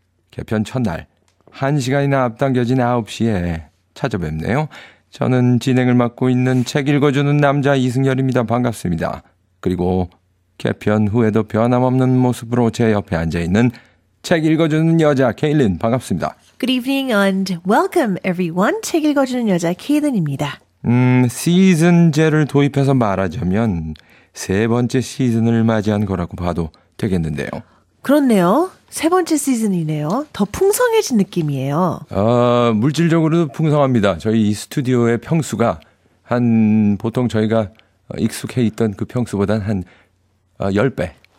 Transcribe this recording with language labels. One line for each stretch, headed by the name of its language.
Korean: 개편 첫날 한 시간이나 앞당겨진 9시에 찾아뵙네요. 저는 진행을 맡고 있는 책 읽어주는 남자 이승열입니다. 반갑습니다. 그리고 개편 후에도 변함없는 모습으로 제 옆에 앉아있는 책 읽어주는 여자 케일린 반갑습니다.
English: Good evening and welcome everyone.
Korean: 책 읽어주는 여자 케일린입니다. 시즌제를 도입해서 말하자면 세 번째 시즌을 맞이한 거라고 봐도 되겠는데요. 그렇네요. 세 번째 시즌이네요. 더 풍성해진 느낌이에요. 물질적으로도 풍성합니다. 저희 이 스튜디오의 평수가 한 보통 저희가 익숙해 있던 그 평수보다는 한 10배.